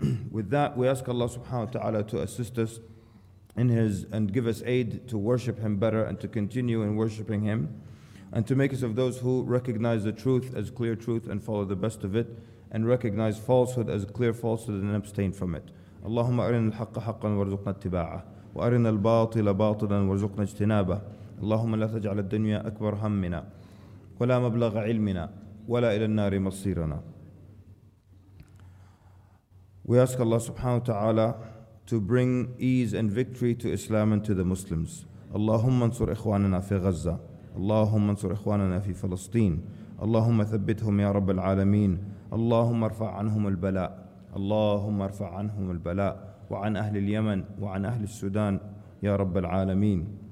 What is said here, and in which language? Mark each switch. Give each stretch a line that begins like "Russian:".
English: With that, we ask Allah subhanahu wa ta'ala to assist us in His, and give us aid to worship Him better and to continue in worshiping Him, and to make us of those who recognize the truth as clear truth and follow the best of it, and recognize falsehood as clear falsehood and abstain from it.
Arabic: اللهم أرنا الحق حقا وارزقنا اتباعه وأرنا الباطل باطلا وارزقنا اجتنابه اللهم لا تجعل الدنيا أكبر همنا ولا مبلغ علمنا ولا إلى النار مصيرنا.
English: We ask Allah subhanahu wa ta'ala to bring ease and victory to Islam and to the Muslims.
Arabic: اللهم انصر إخواننا في غزة. اللهم انصر إخواننا في فلسطين. اللهم ثبتهم يا رب العالمين. اللهم ارفع عنهم البلاء. اللهم ارفع عنهم البلاء وعن أهل اليمن وعن أهل السودان يا رب العالمين.